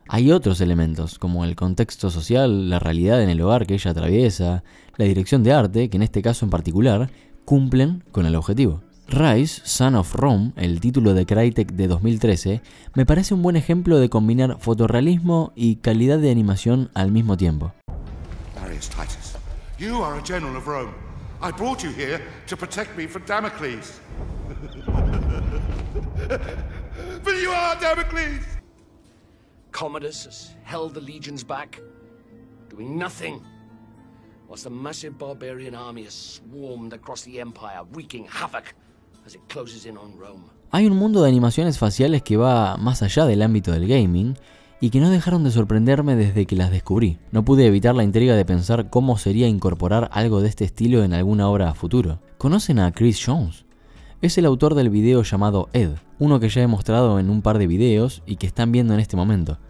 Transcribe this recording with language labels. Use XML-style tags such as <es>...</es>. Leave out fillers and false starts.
<es>Hay otros elementos, como el contexto social, la realidad en el hogar que ella atraviesa, la dirección de arte, que en este caso en particular, cumplen con el objetivo. Rise, Son of Rome, el título de Crytek de 2013, me parece un buen ejemplo de combinar fotorrealismo y calidad de animación al mismo tiempo.</es> <en>Darius Titus, you are a general of Rome. I brought you here to protect me from Damocles. But you are Damocles! Commodus has held the legions back, doing nothing, whilst the massive barbarian army has swarmed across the empire, wreaking havoc as it closes in on Rome.</en> <es>Hay un mundo de animaciones faciales que va más allá del ámbito del gaming, y que no dejaron de sorprenderme desde que las descubrí. No pude evitar la intriga de pensar cómo sería incorporar algo de este estilo en alguna obra a futuro. ¿Conocen a Chris Jones? Es el autor del video llamado Ed, uno que ya he mostrado en un par de videos y que están viendo en este momento.</es>